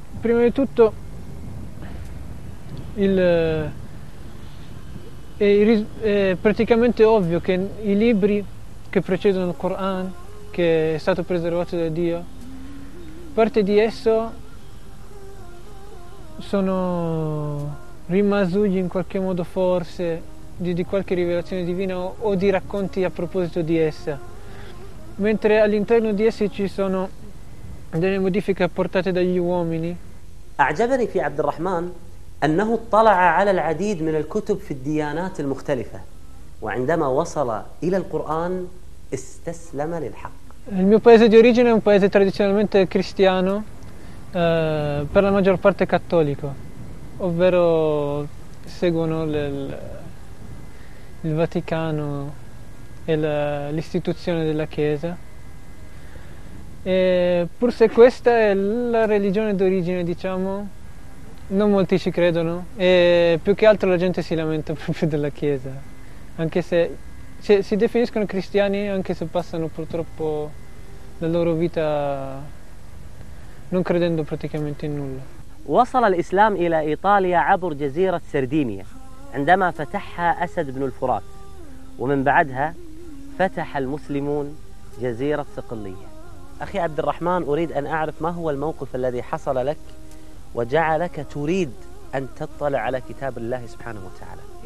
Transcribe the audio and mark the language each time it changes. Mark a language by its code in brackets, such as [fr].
[it] Prima di tutto è praticamente ovvio che i libri che precedono il Coran, che è stato preservato da Dio, parte di esso sono rimasugli in qualche modo forse di qualche rivelazione divina o di racconti a proposito di essa. Mentre all'interno di essi ci sono delle modifiche apportate dagli uomini. [ar] أعجبني في عبد الرحمن أنه اطلع على العديد من الكتب في الديانات المختلفة، وعندما وصل إلى القرآن استسلم للحق. [it] Il mio paese di origine è un paese tradizionalmente cristiano, per la maggior parte cattolico, ovvero seguono il Vaticano e l'istituzione della Chiesa. Pur se questa è la religione d'origine, diciamo, non molti ci credono e più che altro la gente si lamenta proprio della Chiesa, anche se si definiscono cristiani, anche se passano purtroppo la loro vita non credendo praticamente in nulla. [ar] وصل الإسلام إلى إيطاليا عبر جزيرة سردينيا عندما فتحها أسد بن الفرات، ومن بعدها فتح المسلمون جزيرة صقلية. أخي عبد الرحمن، أريد أن أعرف ما هو الموقف الذي حصل لك وجعلك تريد أن تطلع على كتاب الله سبحانه وتعالى؟